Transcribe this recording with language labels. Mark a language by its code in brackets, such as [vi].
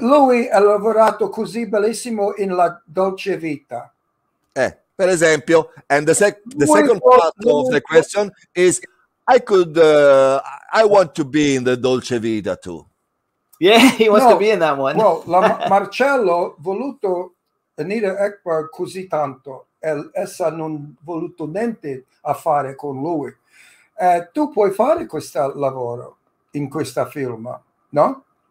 [it] Lui ha lavorato così bellissimo in La Dolce Vita. Per esempio, [en] and the second part of the question is, I want to be in the Dolce Vita too. Yeah, he wants to be in that one. Well, [it] Marcello voluto Anita Ekberg così tanto, essa non voluto niente a fare con lui. Tu puoi fare questo lavoro in questa film, no?